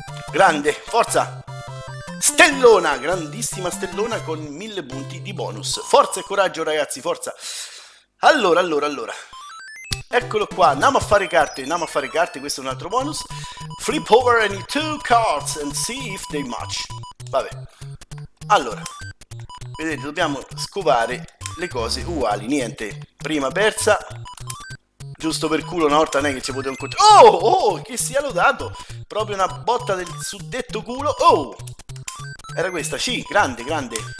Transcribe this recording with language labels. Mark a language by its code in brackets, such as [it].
[it] Grande, forza. Stellona, grandissima stellona con 1000 punti di bonus. Forza e coraggio, ragazzi, forza. Allora. Eccolo qua, andiamo a fare carte, questo è un altro bonus. [en] Flip over any two cards and see if they match. [it] Vabbè. Allora, vedete, dobbiamo scovare le cose uguali, niente. Prima persa. Giusto per culo, una volta non è che ci poteva un conto. Oh, oh, che sia lodato. Proprio una botta del suddetto culo. Oh! Era questa, sì, grande, grande.